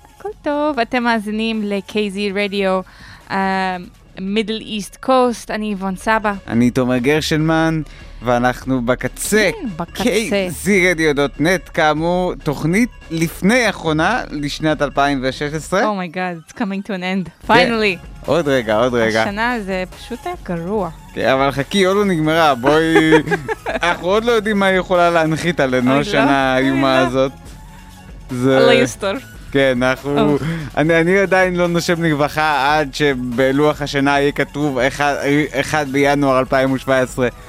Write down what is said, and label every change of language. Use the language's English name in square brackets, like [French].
[Hebrew] הכל טוב, אתם מאזינים ל-KZ Radio Middle East Coast, אני איבון סבא, אני תומר גרשנמן, ואנחנו בקצה, KZRadio.net, כאמור, תוכנית לפני האחרונה לשנת 2016. [English] Oh my god, it's coming to an end, finally. [Hebrew] עוד רגע, עוד רגע. השנה זה פשוט היה גרוע. כן, אבל חכי, עוד לא נגמרה, בואי... אנחנו עוד לא יודעים מה היא יכולה להנחית עלינו השנה האיומה הזאת. זה... על היסטור. כן, אנחנו... אני עדיין לא נושם נגבחה עד שבלוח השנה יהיה כתוב 1 בינואר 2017.